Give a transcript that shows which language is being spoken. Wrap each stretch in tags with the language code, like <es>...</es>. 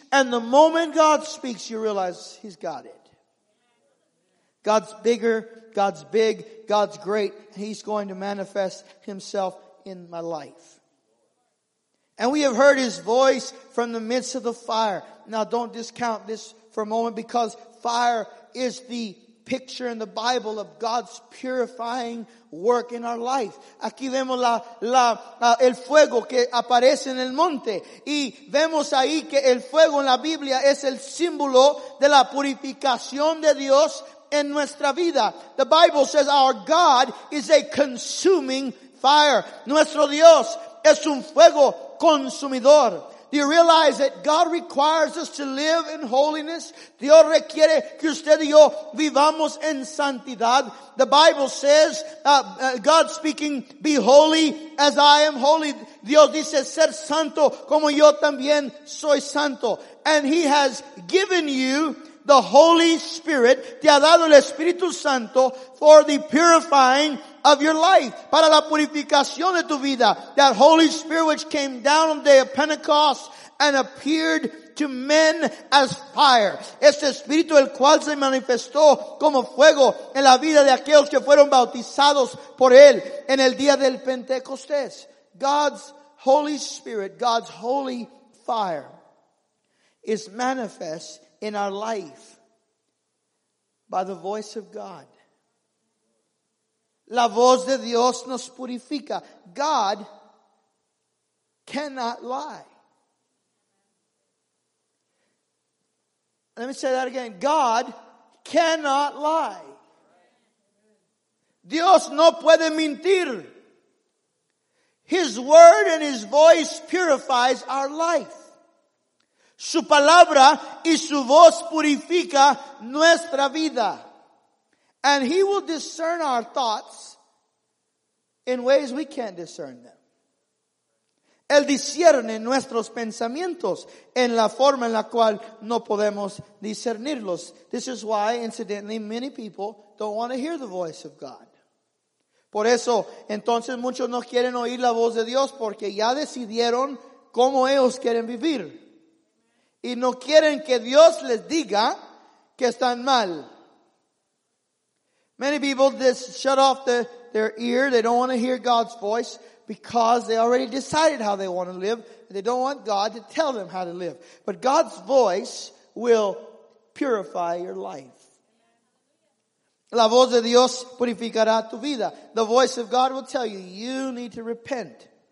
<en>And the moment God speaks, you realize He's got it. God's bigger, God's big, God's great, and He's going to manifest Himself in my life. And we have heard His voice from the midst of the fire. Now don't discount this for a moment, because fire is the picture in the Bible of God's purifying work in our life.</en> <es>Aquí vemos el fuego que aparece en el monte. Y vemos ahí que el fuego en la Biblia es el símbolo de la purificación de Dios en nuestra vida.</es> <en>The Bible says our God is a consuming fire.</en> <es>Nuestro Dios es un fuego consumidor.</es> <en>Do you realize that God requires us to live in holiness?</en> <es>Dios requiere que usted y yo vivamos en santidad.</es> <en>The Bible says, God speaking, be holy as I am holy.</en> <es>Dios dice, ser santo como yo también soy santo.</es> <en>And He has given you the Holy Spirit,</en> <es>te ha dado el Espíritu Santo,</es> <en>for the purifying of your life,</en> <es>para la purificación de tu vida.</es> <en>That Holy Spirit which came down on the day of Pentecost and appeared to men as fire.</en> <es>Este Espíritu el cual se manifestó como fuego en la vida de aquellos que fueron bautizados por Él en el día del Pentecostés.</es> <en>God's Holy Spirit, God's holy fire is manifest in our life by the voice of God.</en> <es>La voz de Dios nos purifica.</es> <en>God cannot lie. Let me say that again. God cannot lie.</en> <es>Dios no puede mentir.</es> <en>His word and His voice purifies our life.</en> <es>Su palabra y su voz purifica nuestra vida.</es> <en>And He will discern our thoughts in ways we can't discern them.</en> <es>Él discierne nuestros pensamientos en la forma en la cual no podemos discernirlos.</es> <en>This is why, incidentally, many people don't want to hear the voice of God.</en> <es>Por eso, entonces muchos no quieren oír la voz de Dios porque ya decidieron cómo ellos quieren vivir. Y no quieren que Dios les diga que están mal.</es> <en>Many people just shut off their ear. They don't want to hear God's voice because they already decided how they want to live. They don't want God to tell them how to live. But God's voice will purify your life.</en> <es>La voz de Dios purificará tu vida.</es> <en>The voice of God will tell you, you need to repent.</en>